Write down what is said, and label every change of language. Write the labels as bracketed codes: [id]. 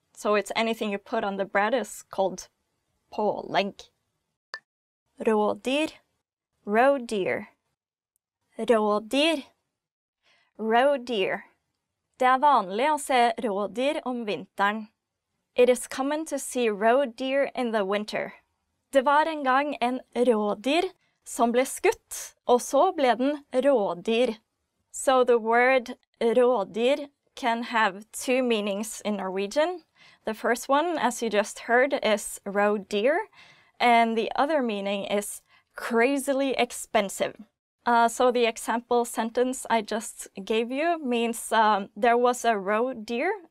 [en] So it's anything you put on the bread is called pålegg. [no] Rådyr, rådyr, rådyr. Rådyr. Det vanlig å se rådyr om vinteren. [en] It is common to see rådyr in the winter. [no] Det var en gang en rådyr som ble skutt, og så ble den rådyr. [en] So the word rådyr can have two meanings in Norwegian. The first one, as you just heard, is rådyr, and the other meaning is crazily expensive. So the example sentence I just gave you means there was a roe deer